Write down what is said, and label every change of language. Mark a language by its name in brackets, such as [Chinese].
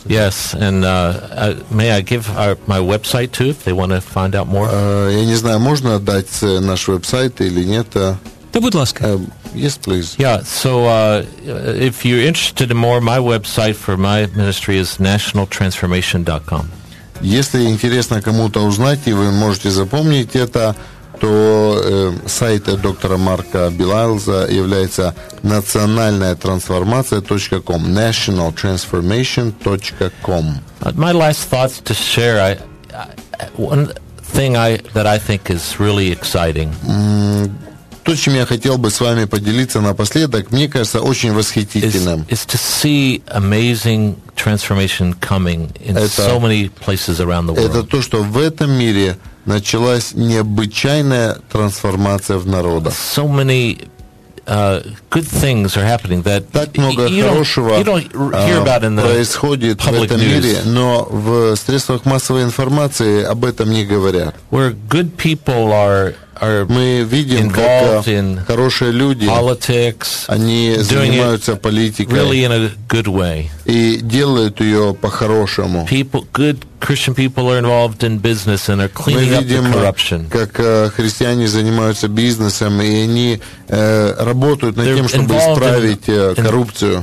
[English] Yes, and may I give our, my website too if they want to find out more? [Ukrainian] Я не знаю, можна дати наш веб-сайт чи ні? Та будь ласка. [English] Yes, please. Yeah, so if you're interested in more, my website for my ministry is nationaltransformation.com. [Russian] Если интересно кому-то узнать, и вы можете запомнить это, то сайт доктора Марка Белайлза является национальнаятрансформация.com, nationaltransformation.com. [English] My last thoughts to share, one thing that I think is really exciting. [Russian] То, чем я хотел бы с вами поделиться напоследок, мне кажется, очень восхитительным. [English] Is to see amazing transformation coming in so many places around the world. [Russian] Это то, что в этом мире началась необычайная трансформация в народах. [English] So many good things are happening that [Russian] так много хорошего происходит в этом мире, но в средствах массовой информации об этом не говорят. [English] Where good people are [Russian] мы видим, как хорошие люди, [English] politics, [Russian] они занимаются политикой [English] really in a good way. [Russian] И делают ее по-хорошему. [English] People, good Christian people are involved in business and are cleaning up the corruption. [Russian] Как христиане занимаются бизнесом, и они работают над тем, чтобы исправить коррупцию.